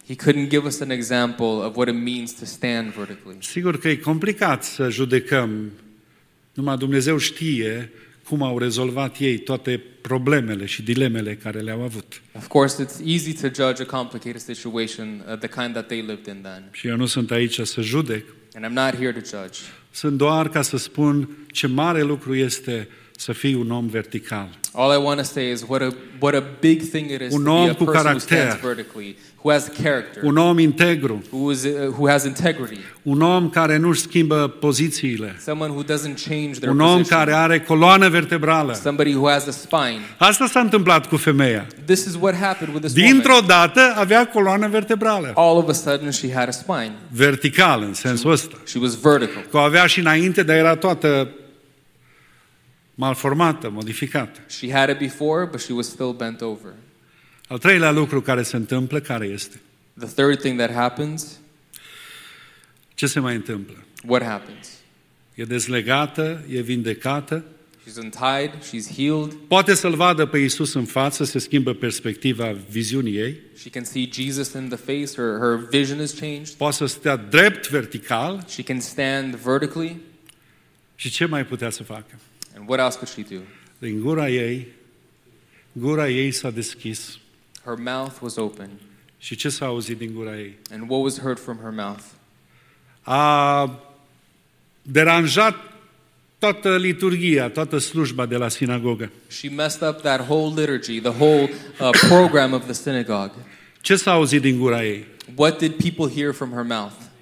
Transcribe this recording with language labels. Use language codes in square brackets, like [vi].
[en] He couldn't give us an example of what it means to stand vertically. [ro] Sigur că e complicat să judecăm. Numai Dumnezeu știe cum au rezolvat ei toate problemele și dilemele care le-au avut. [en] Of course, it's easy to judge a complicated situation the kind that they lived in then. [ro] Și eu nu sunt aici să judec. [en] And I'm not here to judge. [ro] Sunt doar ca să spun ce mare lucru este să fii un om vertical. [en] All I want to say is what a big thing it is [ro] un [en] to be a [ro] cu [en] person [ro] caracter. [en] Who stands vertically, who has character. [ro] Un om integru. [en] Who has integrity. [ro] Un om care nu-și schimbă pozițiile. [en] Someone who doesn't change their [ro] un [en] position. [ro] Un om care are coloană vertebrală. [en] Somebody who has a spine. [ro] Asta s-a întâmplat cu femeia. [en] This is what happened with this woman. [ro] Dintr-o dată avea coloană vertebrală. [en] All of a sudden she had a spine. [ro] Vertical în sensul ăsta. [en] She was vertical. [ro] Că o avea și înainte, dar era toată malformată, modificată. [en] She had it before, but she was still bent over. [ro] Al treilea lucru care se întâmplă, care este? [en] The third thing that happens. [ro] Ce se mai întâmplă? [en] What happens? [ro] E dezlegată, e vindecată. [en] She's untied, she's healed. [ro] Poate să-L vadă pe Iisus în față, se schimbă perspectiva viziunii ei. [en] She can see Jesus in the face, her vision is changed. [ro] Poate să stea drept vertical. [en] She can stand vertically. [ro] Și ce mai putea să facă? [en] And what else could she do? [ro] Din gura ei s-a deschis. [en] Her mouth was open. [ro] Și ce s-a auzit din gura ei? [en] And what was heard from her mouth? [ro] A deranjat toată liturgia, toată slujba de la sinagogă. [en] She messed up that whole liturgy, the whole program of the synagogue. [ro] Ce s-a auzit din gura ei? [en] What did people hear from her mouth?